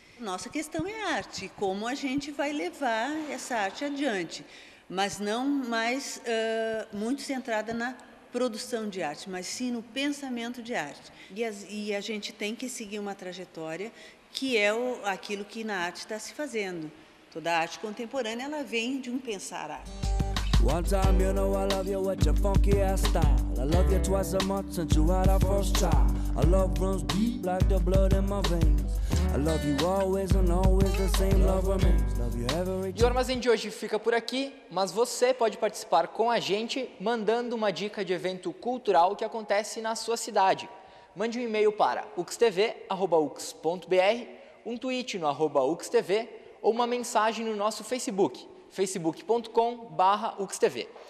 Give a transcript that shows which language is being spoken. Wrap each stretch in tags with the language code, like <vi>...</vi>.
<pt>Nossa questão é a arte, como a gente vai levar essa arte adiante, mas não mais muito centrada na produção de arte, mas sim no pensamento de arte. E a gente tem que seguir uma trajetória que é aquilo que na arte está se fazendo. Toda a arte contemporânea, ela vem de um pensar arte.</pt> <en>One time you know I love you with your funky ass style. I love you twice a month since you had our first child. A love runs deep like the blood in my veins. I love you always and always the same love remains. Love you every time.</en> <pt>E o Armazém de hoje fica por aqui, mas você pode participar com a gente mandando uma dica de evento cultural que acontece na sua cidade. Mande um e-mail para uxtv@ux.br, um tweet no @uxtv, ou uma mensagem no nosso Facebook, facebook.com/uxtv.</pt>